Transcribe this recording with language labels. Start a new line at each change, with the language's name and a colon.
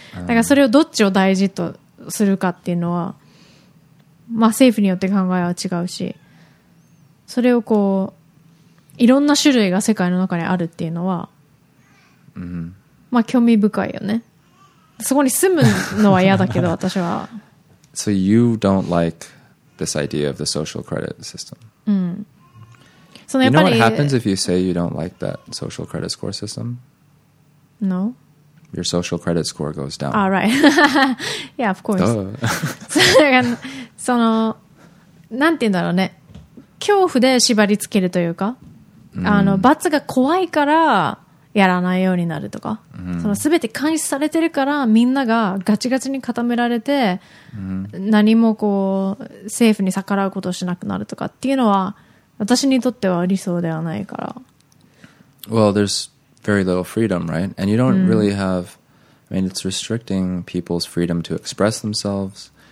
Japanese: だからそれをどっちを大事とするかっていうのは、まあ政府によって考えは違うし、それをこう、いろんな種類が世界の中にあるっていうのは、まあ興味深いよね。そこに住むのは嫌だけど私は。
English: So you don't like this idea of the social credit system? うん。
Japanese: そのやっぱり。
English: You know what happens if you say you don't like that social credit score system? No. Your social credit score goes down. Ah, right. yeah, of course.
Japanese: その、なんて言うんだろうね。恐怖で縛り付けるというか、mm. あの、罰が怖いからやらないようになるとか、mm. その全て監視されてるからみんながガチガチに固められて、mm. 何もこう、政府に逆らうことをしなくなるとかっていうのは、私にとっては理想ではないから。
English: Well, there's... very little freedom, right? And you don't、mm. really have, I mean, it's restricting people's freedom to express themselves.